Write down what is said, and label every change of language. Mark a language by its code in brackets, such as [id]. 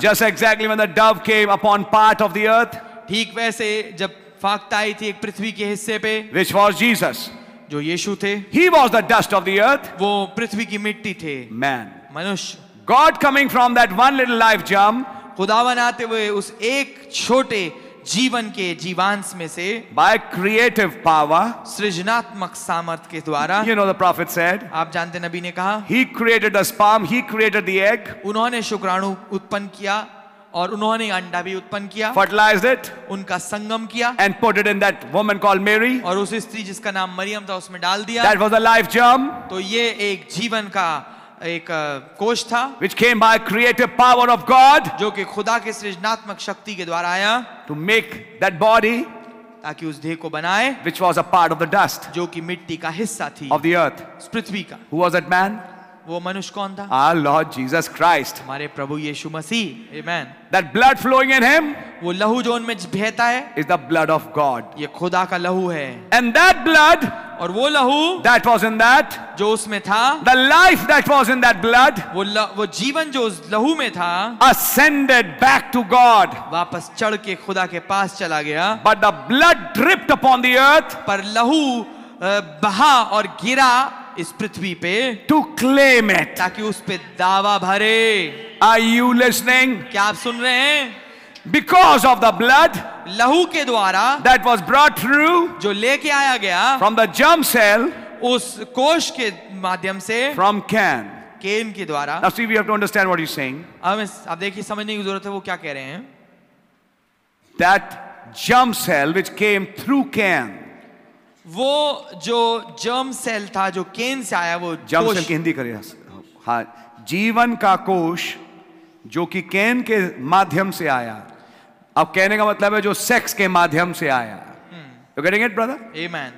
[en] Just exactly when the dove came upon part of the earth. [hi] ठीक वैसे जब फाकता आई थी एक पृथ्वी के हिस्से पे. [en] Which was Jesus. [hi] जो यीशु थे. [en] He was the dust of the earth. [hi] वो पृथ्वी की मिट्टी थे. [en] Man. [hi] मनुष्य. [en] God coming from that one little life germ. [hi] खुदावन आते हुए उस एक छोटे जीवन के जीवांश में से. [en] By creative power. [hi] सृजनात्मक सामर्थ के द्वारा. [en] You know the prophet said. [hi] आप जानते नबी ने कहा. [en] He created the sperm. He created the egg. [hi] उन्होंने शुक्राणु उत्पन्न किया. और उन्होंने अंडा भी उत्पन्न किया. [en] Fertilized it. [hi] उनका संगम किया. [en] And put it in that woman called Mary. [hi] और उस स्त्री जिसका नाम मरियम था उसमें डाल दिया. [en] That was a life germ. [hi] तो ये एक जीवन का एक कोष था. [en] Which came by creative power of God. [hi] जो कि खुदा के सृजनात्मक शक्ति के द्वारा आया. [en] To make that body. [hi] ताकि उस देह को बनाए. [en] Which was a part of the dust. [hi] जो कि मिट्टी का हिस्सा थी. [en] Of the earth. [hi] पृथ्वी का. [en] Who was that man? [hi] वो मनुष्य कौन था? [en] Our Lord Jesus Christ. [hi] हमारे प्रभु यीशु मसीह. Amen. [en] That blood flowing in him. [hi] वो लहू जो उनमें बहता है. [en] Is the blood of God. [hi] ये खुदा का लहू है. [en] And that blood. [hi] और वो लहू. [en] That was in that. [hi] जो उसमें था. [en] The life that was in that blood. [hi] वो जीवन जो उस लहू में था. [en] Ascended back to God. [hi] वापस चढ़ के खुदा के पास चला गया. [en] But the blood dripped upon the earth. [hi] पर लहू बहा और गिरा. इस पृथ्वी पे. [en] To claim it. [hi] ताकि उस पे दावा भरे. [en] Are you listening? [hi] क्या आप सुन रहे हैं? [en] Because of the blood. [hi] लहू के द्वारा. [en] That was brought through. [hi] जो लेके आया गया. [en] From the germ cell. [hi] उस कोष के माध्यम से. [en] From can. [hi] केन के द्वारा. [en] Now see, we have to understand what you're saying. [hi] अब देखिए समझने की जरूरत है वो क्या कह रहे हैं. [en] That germ cell which came through can. [hi] वो जो जर्म सेल था जो केन से आया वो जर्म सेल की हिंदी करें. हाँ, जीवन का कोष जो कि केन के माध्यम से आया. अब कहने का मतलब है जो सेक्स के माध्यम से आया. [en] You getting it brother? Amen.